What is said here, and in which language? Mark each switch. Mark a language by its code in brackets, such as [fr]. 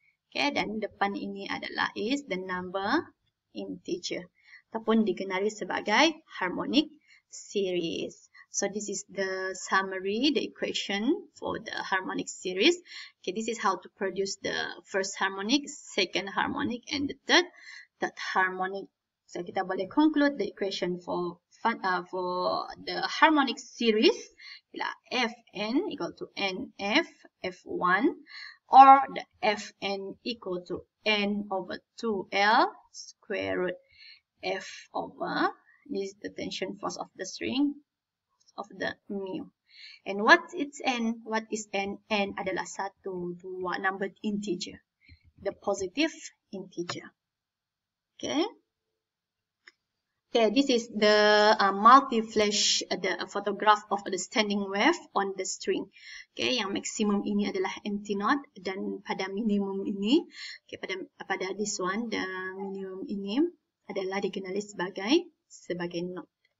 [ms] Okay, dan depan ini adalah [en] is the number integer. [ms] Ataupun dikenali sebagai harmonic series. [en] So, this is the summary, the equation for the harmonic series. Okay, this is how to produce the first harmonic, second harmonic, and the third harmonic. So, [ms] kita boleh [en] conclude the equation for the harmonic series, FN equal to NF F1 or the Fn equal to n over 2L square root F over, this is the tension force of the string, of the mu. And what is n? What is n? [ms] N adalah satu, dua, number integer. [en] The positive integer. Okay? Okay, this is the multi-flash, the photograph of the standing wave on the string. [ms] Okay, yang maksimum ini adalah antinode dan pada minimum ini, okay, [en] pada this one, [ms] the minimum ini adalah dikenali sebagai node.